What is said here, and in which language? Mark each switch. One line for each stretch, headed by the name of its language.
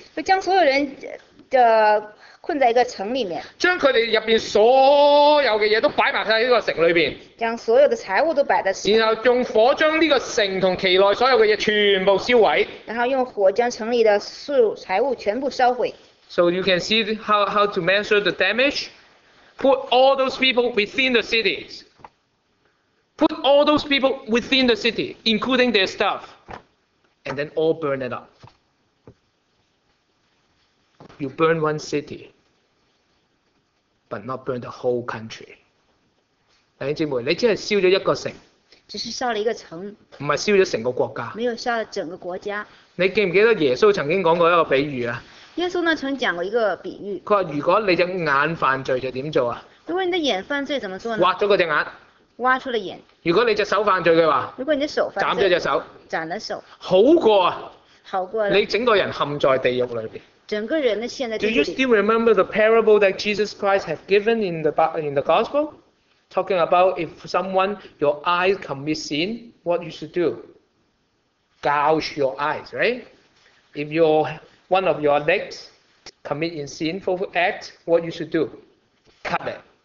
Chinese: 就将所有人的困在一个城里面，将他们入面所有的东西都摆在这个城里面，将所有的财物都摆在城，然后用火将这个城和其内所有的东西全部烧毁，然后用火将城里的财物全部烧毁。
English: So you can see how to measure the damage. Put all those people within the cities. Put all those people within the city, including their stuff, and then all burn it up. You burn one city, but not burn the whole country.
Chinese: 弟兄姊妹，你只是烧了一个城，只是烧了一个城，不是烧了整个国家，没有烧了整个国家。你记不记得耶稣曾经讲过一个比喻啊？耶稣呢曾讲过一个比喻。他说如果你只眼犯罪就怎么做啊？如果你的眼犯罪怎么做呢？挖了那只眼。挖出了眼。如果你只手犯罪的话？如果你的手犯罪。斩了只手。斩了手。好过啊。好过了。你整个人陷在地狱里面。
English: Do you still remember the parable that Jesus Christ has given in the gospel? Talking about if someone, your eyes commit sin, what you should do? Gouge your eyes, right? If one of your legs commit in sinful act, what you should do? Cut it.